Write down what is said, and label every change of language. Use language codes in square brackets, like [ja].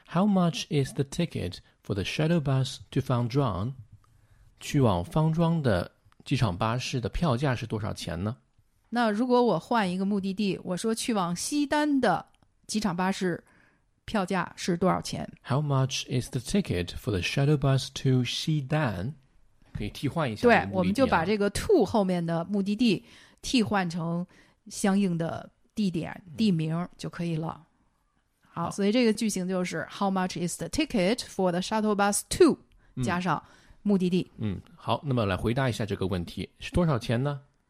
[en] How much is the ticket for the shuttle bus to Fangzhou？ [zh] 去往方庄的机场巴士的票价是多少钱呢？那如果我换一个目的地，我说去往西单的机场巴士票价是多少钱 [en] ？How much is the ticket for the shuttle bus to 西单？ [zh] 可以替换一下、啊。对，我们就把这个 to 后面的目的地替换成相应的地点地名就可以了。好，所以这个句型就是 [en] How much is the ticket for the shuttle bus to、嗯、 [zh] 加上目的地。嗯，好，那么来回答一下这个问题，是多少钱呢？